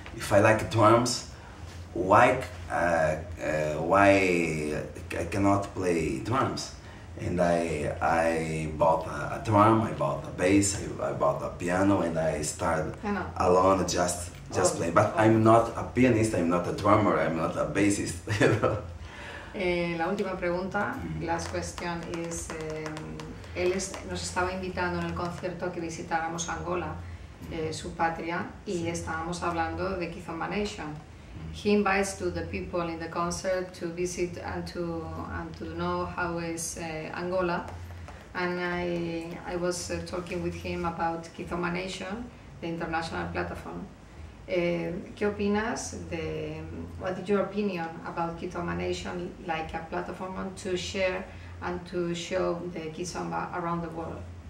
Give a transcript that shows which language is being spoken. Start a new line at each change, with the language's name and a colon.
English: If I like drums, why I cannot play drums? And I bought a drum, I bought a bass, I bought a piano, and I started alone just playing. But I'm not a pianist, I'm not a drummer, I'm not a bassist.
Spanish: La última pregunta,
English: last question is,
Spanish: él nos estaba invitando en el concierto a que visitáramos Angola, su patria, y estábamos hablando de Kizomba Nation.
English: He invites to the people in the concert to visit and to know how is Angola, and I was talking with him about Kizomba Nation, the international platform.
Spanish: ¿Qué opinas de,
English: what is your opinion about Kizomba Nation like a platform to share and to show the Kizomba around the world?